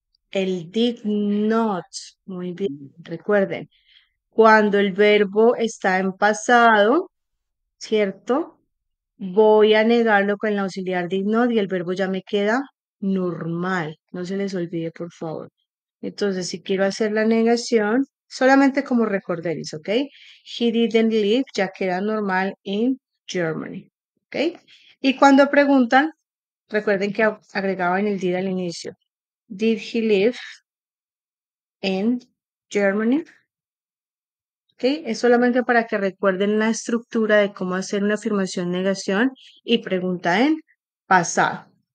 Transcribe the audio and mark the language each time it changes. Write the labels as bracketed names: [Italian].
[Spanish] El did not. Muy bien. Recuerden, cuando el verbo está en pasado, ¿cierto? Voy a negarlo con el auxiliar did not y el verbo ya me queda normal. No se les olvide, por favor. Entonces, si quiero hacer la negación, solamente como recordéis, ¿ok? [English] He didn't live, [Spanish] ya queda normal [English] in Germany. ¿Ok? [Spanish] Y cuando preguntan, recuerden que agregaban el did al inicio. [English] Did he live in Germany? ¿Ok? [Spanish] Es solamente para que recuerden la estructura de cómo hacer una afirmación negación y pregunta en pasado.